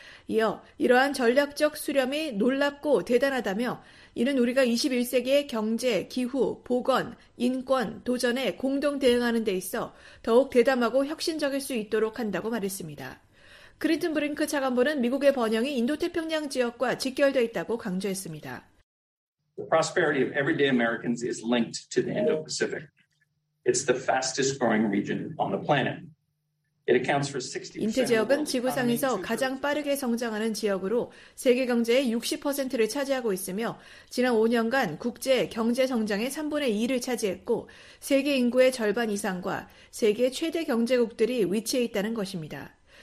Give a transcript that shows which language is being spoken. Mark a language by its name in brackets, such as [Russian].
[Korean] 이어 이러한 전략적 수렴이 놀랍고 대단하다며 이는 우리가 21세기의 경제, 기후, 보건, 인권, 도전에 공동 대응하는 데 있어 더욱 대담하고 혁신적일 수 있도록 한다고 말했습니다. 크리튼브링크 차관보는 미국의 번영이 인도태평양 지역과 직결되어 있다고 강조했습니다. [English] The prosperity of everyday Americans is linked to the Indo-Pacific. It's the fastest growing region on the planet. [Korean] 인태 지역은 지구상에서 가장 빠르게 성장하는 지역으로 세계 경제의 60%를 차지하고 있으며 지난 5년간 국제 경제 성장의 3분의 2를 차지했고 세계 인구의 절반 이상과 세계 최대 경제국들이 위치해 있다는 것입니다.